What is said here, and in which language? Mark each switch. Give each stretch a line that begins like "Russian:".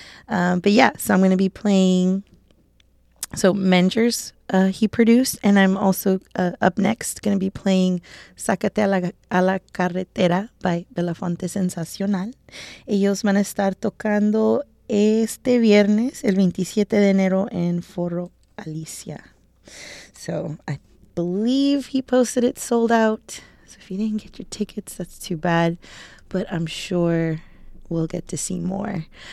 English: But yeah, so I'm going to be playing. So Menger's, he produced. And I'm also up next going to be playing Sácate a la Carretera by Belafonte Sensacional.
Spanish: Ellos van a estar tocando este viernes, el 27 de enero, en Foro Alicia.
English: So I believe he posted it sold out. So if you didn't get your tickets, that's too bad. But I'm sure we'll get to see more.